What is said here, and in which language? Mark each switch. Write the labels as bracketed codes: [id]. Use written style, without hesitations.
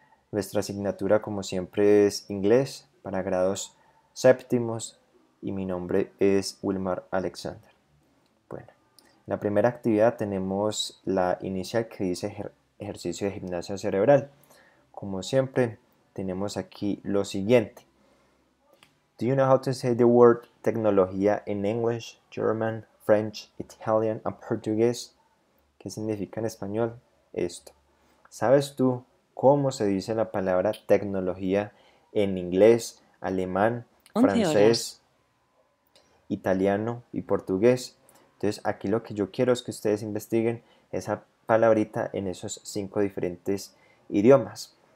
[es] Nuestra asignatura, como siempre, es inglés para grados séptimos y mi nombre es Wilmar Alexander. La primera actividad tenemos la inicial que dice ejercicio de gimnasia cerebral. Como siempre, tenemos aquí lo siguiente. [en] Do you know how to say the word tecnología in English, German, French, Italian and Portuguese? [es] ¿Qué significa en español esto? ¿Sabes tú cómo se dice la palabra tecnología en inglés, alemán, 11 horas. francés, italiano y portugués? Entonces, aquí lo que yo quiero es que ustedes investiguen esa palabrita en esos cinco diferentes idiomas.